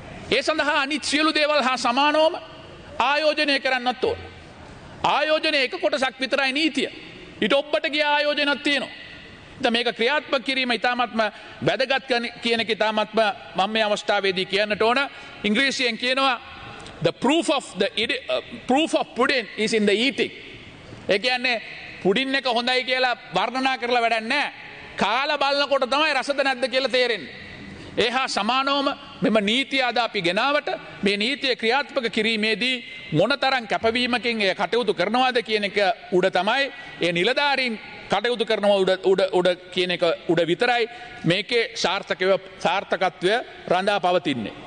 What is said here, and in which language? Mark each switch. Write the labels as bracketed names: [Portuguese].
[Sinhala] ඒ සඳහා අනිත් සියලු දේවල් හා සමානවම ආයෝජනය කරන්නත් ඕන. ආයෝජනය එක කොටසක් විතරයි නීතිය. ඊට ඔබට ගිය ආයෝජනක් තියෙනවා. මේක ක්‍රියාත්මක කිරීම ඉතාමත්ම වැදගත් කියන කී තාමත්ම මම මේ අවස්ථාවේදී කියන්නට ඕන. ඉංග්‍රීසියෙන් කියනවා [English] the proof of pudding is in the eating. [Sinhala] ඒ කියන්නේ පුඩින් එක හොඳයි කියලා වර්ණනා කරලා වැඩක් නැහැ. කාලා බලනකොට තමයි රසද නැද්ද කියලා තේරෙන්නේ. ඒහා සමානවම මෙම නීතිය අද අපි ගෙනාවට මේ නීතිය ක්‍රියාත්මක කිරීමේදී මොනතරම් කැපවීමකින් එය කටයුතු කරනවාද කියන එක උඩ තමයි ඒ නිලධාරීන් කටයුතු කරනවා උඩ කියන එක උඩ විතරයි මේකේ සාර්ථකත්වය රඳා පවතින්නේ.